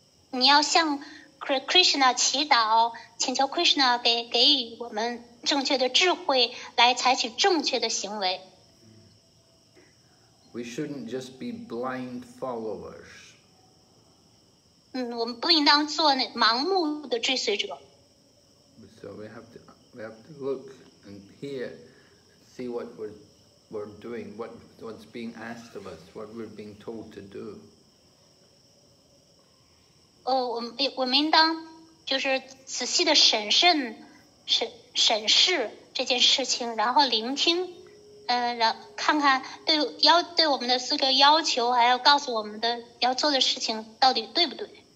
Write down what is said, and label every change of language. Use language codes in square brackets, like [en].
[zh] 你要向 Krishna 祈祷，请求 Krishna 给予我们正确的智慧，来采取正确的行为。 [en] We shouldn't just be blind followers. [zh] 我们不应当做那盲目的追随者。 [en] So we have to look and hear, see what we're doing, what's being asked of us, what we're being told to do. [zh] 我们应当就是仔细的审视这件事情，然后聆听，然后看看对我们的资格要求，还要告诉我们的要做的事情到底对不对。